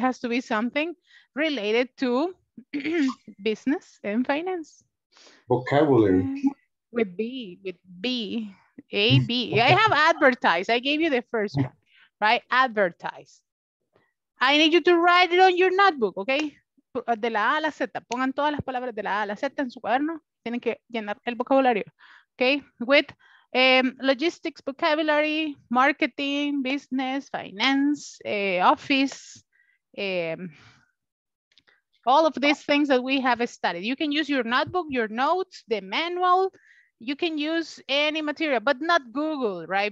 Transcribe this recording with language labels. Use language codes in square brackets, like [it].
[en] It has to be something related to business and finance. Vocabulary. With B. A, B, I have advertise. I gave you the first one, right? Advertise. I need you to write it on your notebook, okay? [es] De la A a la Z. Pongan todas las palabras de la A a la Z en su cuaderno. Tienen que llenar el vocabulario, okay? [en] With logistics vocabulary, marketing, business, finance, office, all of these things that we have studied. You can use your notebook, your notes, the manual. You can use any material, but not Google, right?